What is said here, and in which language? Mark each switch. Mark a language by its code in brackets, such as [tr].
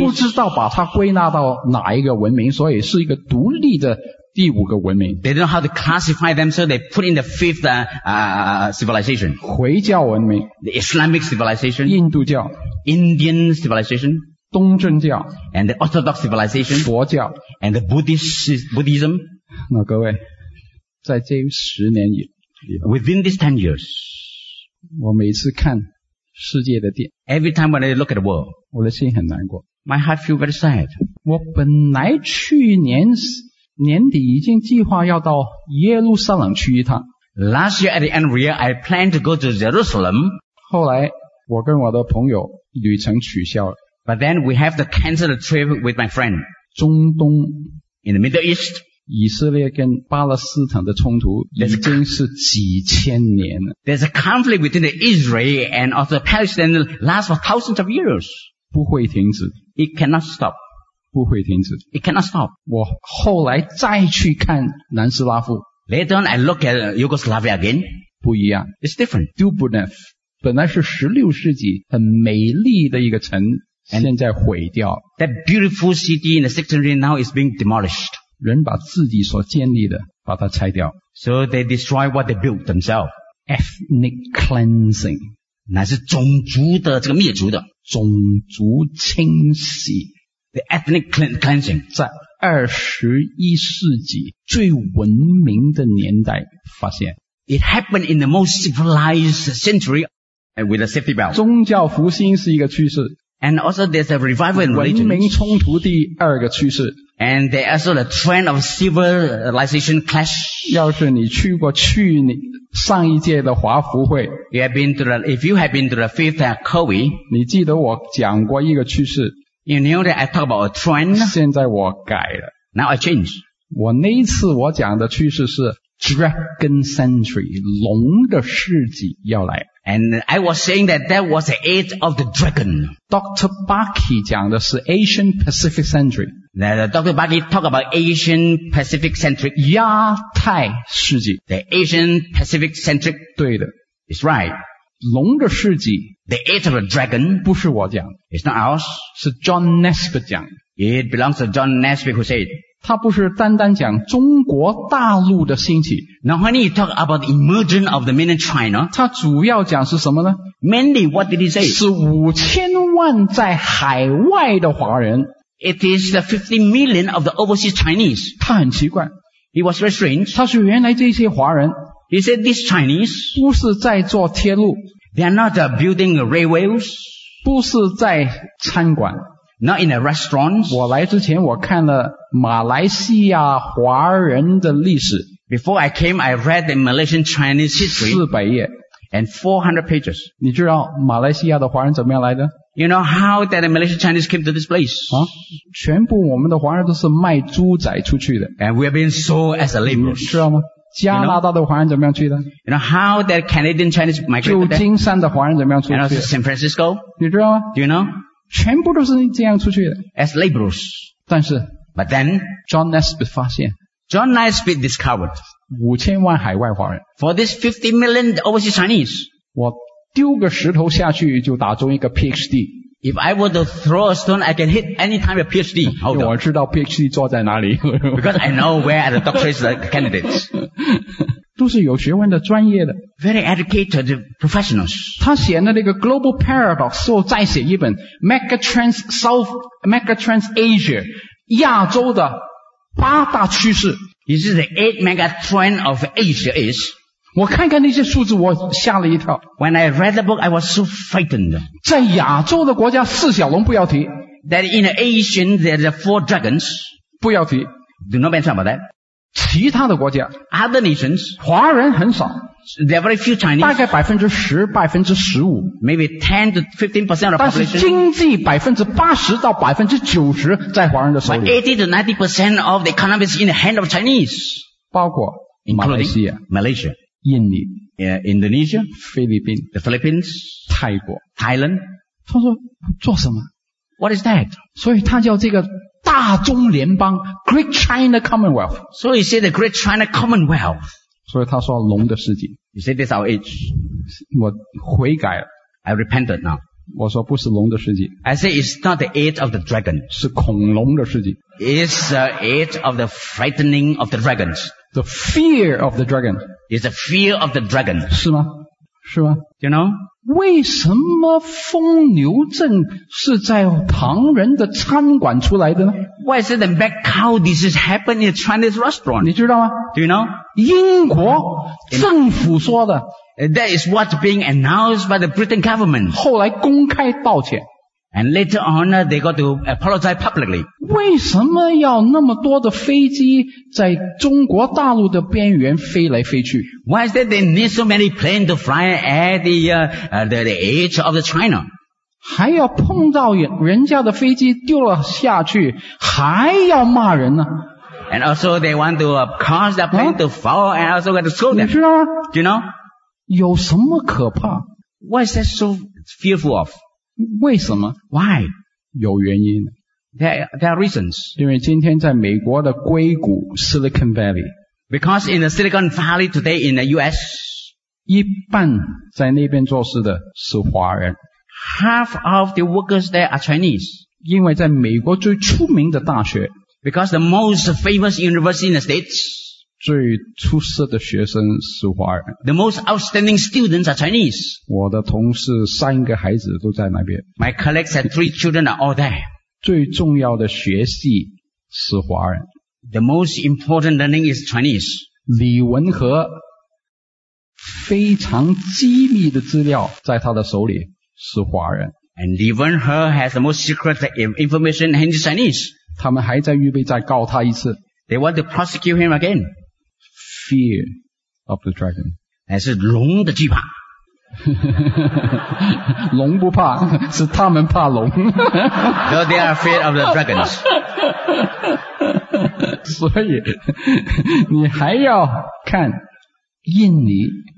[zh] 他不知道把它归纳到哪一个文明所以是一个独立的第五个文明 [en] they don't know how to classify them so they put in the fifth civilization [zh] 回教文明 [en] the Islamic civilization [zh] 印度教 [en] Indian civilization [zh] 东正教 [en] and the Orthodox civilization [zh] 佛教 [en] and the Buddhism [zh] 那各位在这十年以 [en] within these 10 years [zh] 我每次看世界的电 [en] every time when I look at the world [zh] 我的心很难过 [en] my heart feels very sad [zh] 我本来去年年底已经计划要到耶路撒冷去一趟 [en] last year at the end of the year I planned to go to Jerusalem [zh] 后来我跟我的朋友旅程取消了 [en] But then we have to cancel the trip with my friend. [zh] 中东 [en] In the Middle East. [zh] 以色列跟巴勒斯坦的冲突已经是几千年了。 [en] There's a conflict between the Israel and also Palestine last for thousands of years. [zh] 不会停止。 [en] It cannot stop. [zh] 不会停止。 [en] It cannot stop. [zh] 我后来再去看南斯拉夫。 [en] Later on, I look at Yugoslavia again. [zh] 不一样。 [en] It's different. [zh] Dubrovnik 本来是16世纪很美丽的一个城，现在毁掉。 [en] That beautiful city in the 16th century now is being demolished. [zh] 人把自己所建立的把它拆掉。 [en] So they destroy what they built themselves. Ethnic cleansing, [zh] 乃是种族的这个灭族的种族清洗 [en] ，the ethnic cleansing [zh] 在21世纪最文明的年代发现。 [en] It happened in the most civilized century with a safety belt. [zh] 宗教复兴是一个趋势 [en] ，and also there's a revival in religion. [zh] 文明冲突第二个趋势 [en] ，and there's also the trend of civilization clash. [zh] 要是你去过去年。上一届的华福会 [en] you have been to the, If you have been to the fifth COVID [zh] 你记得我讲过一个趋势 [en] You know that I talk about a trend [zh] 现在我改了 [en] Now I change [zh] 我那一次我讲的趋势是 Dragon Century 龙的世纪要来 [en] And I was saying that that was the age of the dragon Dr. [zh] Baki 讲的是 Asian Pacific Century [en] Now, Dr. Baki talk about Asian Pacific centric. [zh] 亚太世纪 [en] The Asian Pacific centric. [zh] 对的 [en] It's right. [zh] 龙的世纪 [en] The Age of a Dragon. [zh] 不是我讲 [en] It's not ours. [zh] 是 John Nesbitt 讲 [en] It belongs to John Nesbitt who said. [zh] 他不是单单讲中国大陆的兴起 [en] Now when he talk about the emergence of the mainland China. [zh] 他主要讲是什么呢 [en] Mainly what did he say? [zh] 是5000万在海外的华人 [en] It is the 50 million of the overseas Chinese. [zh] 他很奇怪。 [en] He was very strange. [zh] 他说原来这些华人。 [en] He said these Chinese. [zh] 不是在做铁路。 [en] They are not building railways. [zh] 不是在餐馆。 [en] Not in a restaurant. [zh] 我来之前我看了马来西亚华人的历史。 [en] Before I came, I read the Malaysian Chinese history. [zh] 400页。 [en] And 400 pages. [zh] 你知道马来西亚的华人怎么样来的？ [en] You know how that the Malaysian Chinese came to this place? [zh] 啊，全部我们的华人都是卖猪仔出去的。 [en] And we have been sold as a laborer. [zh] 知道吗？加拿大的华人怎么样去的 [en] ？You know how that Canadian Chinese migrated there? [zh] 旧金山的华人怎么样出去的 [en] ？And also San Francisco. [zh] 你知道吗 [en] ？Do you know? [zh] 全部都是这样出去的。 [en] As laborers. [zh] 但是 [en] ，But then [zh] John Nesbitt 发现 [en] ，John Nesbitt discovered [zh] 五千万海外华人。 [en] For this 50 million overseas Chinese. [zh] 我。丢个石头下去就打中一个 PhD. [en] If I were to throw a stone, I can hit any time a PhD. [zh] 我知道 PhD 坐在哪里。 [en] Because I know where are the doctors are candidates. [zh] 都是有学问的专业的。 [en] Very educated professionals. [zh] 他写的那个 Global Paradox, 所以再写一本 Megatrends South, Megatrends Asia, 亚洲的八大趋势。 [en] You see, the eight megatrends of Asia is, [zh] 我看看那些数字我吓了一跳 [en] When I read the book I was so frightened [zh] 在亚洲的国家四小龙不要提 [en] That in Asia there are four dragons [zh] 不要提 [en] Do not mention about that [zh] 其他的国家 [en] Other nations [zh] 华人很少 [en] There are very few Chinese [zh] 大概 10% 15% [en] Maybe 10 to 15% of the population [zh] 但是经济 80% 到 90% 在华人的手里 [en] 80 to 90% of the economy is in the hand of Chinese [zh] 包括马来西亚 [en] Malaysia [zh] 印尼 [en] Indonesia [zh] 菲律宾 [en] The Philippines [zh] 泰国 [en] Thailand [zh] 他说做什么 [en] What is that? [zh] 所以他叫这个大中联邦 Great China Commonwealth [en] So he said the Great China Commonwealth [zh] 所以他说龙的世纪 [en] He said this is our age [zh] 我悔改了 [en] I repented now [zh] 我说不是龙的世纪 [en] I said it's not the age of the dragon [zh] 是恐龙的世纪 [en] It's the age of the frightening of the dragons The fear of the dragon Is the fear of the dragon. [zh] 是吗是吗 [en] You know? [zh] 为什么疯牛症是在旁人的餐馆出来的呢 [en] Why is it the mad cow disease happened in a Chinese restaurant? [zh] 你知道吗 [en] Do you know? [zh] 英国政府说的 [en] That is what's being announced by the British government. [zh] 后来公开道歉 [en] And later on, they got to apologize publicly. [zh] 为什么要那么多的飞机在中国大陆的边缘飞来飞去 [en] Why is that they need so many planes to fly at the edge of the China? [zh] 还要碰到人家的飞机丢了下去还要骂人呢 [en] And also they want to cause the plane to fall and also got to scold them. [zh] 你知道吗 [en] Do you know? [zh] 有什么可怕 [en] Why is that so fearful of? [zh] 为什么 [en] Why? [zh] 有原因。 [en] There are reasons. [zh] 因为今天在美国的硅谷 Silicon Valley. [en] Because in the Silicon Valley today in the US, [zh] 一半在那边做事的是华人。 [en] Half of the workers there are Chinese. [zh] 因为在美国最出名的大学 [en] Because the most famous university in the States, [zh] 最出色的学生是华人。 [en] The most outstanding students are Chinese. [zh] 我的同事三个孩子都在那边。 [en] My colleagues and three children are all there. [zh] 最重要的学系是华人。 [en] The most important learning is Chinese. [zh] 李文和非常机密的资料在他的手里是华人。 [en] And Li Wenhe has the most secret information in Chinese. [zh] 他们还在预备再告他一次。 [en] They want to prosecute him again. Fear of the dragon. [zh] 还是龙的惧怕。龙不怕，是他们怕龙。 [en] No, they are afraid of the dragons. [zh] 所以你还要看印尼。